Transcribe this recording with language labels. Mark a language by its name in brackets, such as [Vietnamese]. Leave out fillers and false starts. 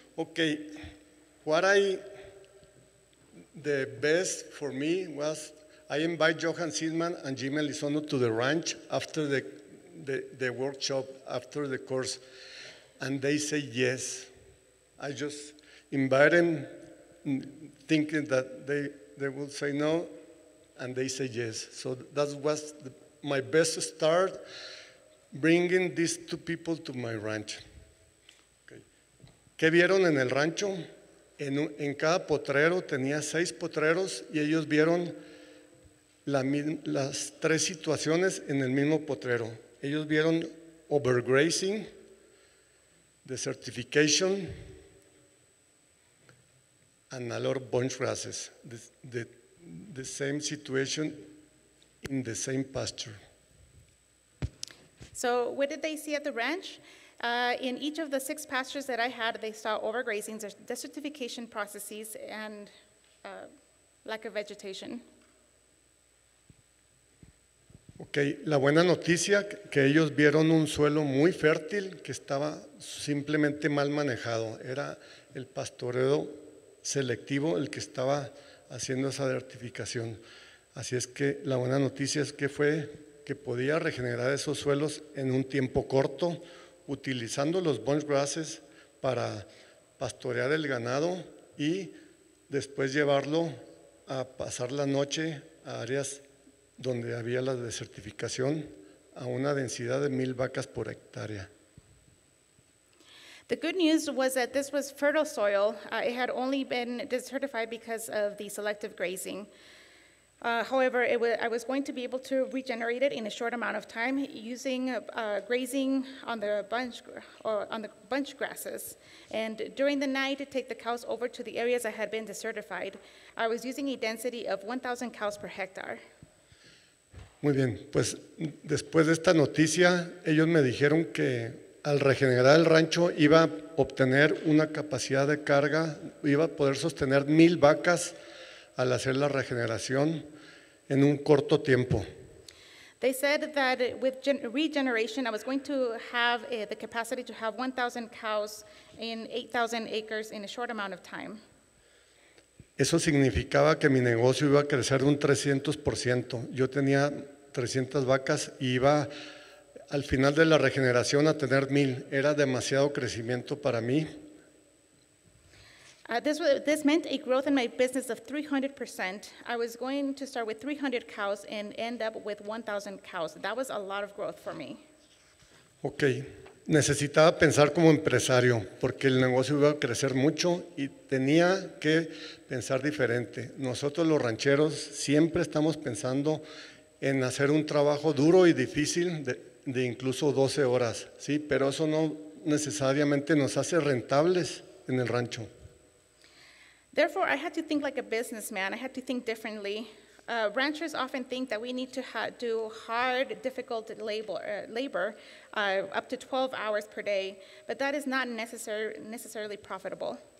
[English] Okay, the best for me was I invite Johan Sidman and Jim Elizondo to the ranch after the workshop, after the course, and they say yes. I just invite them thinking that they will say no, and they say yes. So that was my best start, bringing these two people to my ranch. [Spanish] Okay. ¿Qué vieron en el rancho? En cada potrero, tenía seis potreros, y ellos vieron las tres situaciones en el mismo potrero. Ellos vieron [English] overgrazing, desertification, and a lot of bunch grasses. The same situation in the same pasture. So what did they see at the ranch? In each of the six pastures that I had, they saw overgrazing, desertification processes, and lack of vegetation. [Spanish] Okay, la buena noticia que ellos vieron un suelo muy fértil que estaba simplemente mal manejado. Era el pastoreo selectivo el que estaba haciendo esa desertificación. Así es que la buena noticia es que fue que podía regenerar esos suelos en un tiempo corto, utilizando los bunch grasses para pastorear el ganado y después llevarlo a pasar la noche a áreas donde había la desertificación a una densidad de 1,000 vacas por hectárea. [English] The good news was that this was fertile soil. It had only been desertified because of the selective grazing. However, I was going to be able to regenerate it in a short amount of time using grazing on the bunch grasses. And during the night, take the cows over to the areas that had been desertified. I was using a density of 1,000 cows per hectare. [Spanish] Muy bien, pues después de esta noticia, ellos me dijeron que al regenerar el rancho iba a obtener una capacidad de carga, iba a poder sostener 1,000 vacas al hacer la regeneración en un corto tiempo. [English] They said that with regeneration, I was going to have the capacity to have 1,000 cows in 8,000 acres in a short amount of time. [Spanish] Eso significaba que mi negocio iba a crecer un 300%. Yo tenía 300 vacas y iba al final de la regeneración a tener 1,000. Era demasiado crecimiento para mí. [English] This meant a growth in my business of 300%. I was going to start with 300 cows and end up with 1,000 cows. That was a lot of growth for me. Okay. [Spanish] Necesitaba pensar como empresario porque el negocio iba a crecer mucho y tenía que pensar diferente. Nosotros los rancheros siempre estamos pensando en hacer un trabajo duro y difícil de incluso 12 horas, ¿sí? Pero eso no necesariamente nos hace rentables en el rancho. [English] Therefore, I had to think like a businessman. I had to think differently. Ranchers often think that we need to do hard, difficult labor, up to 12 hours per day, but that is not necessarily profitable.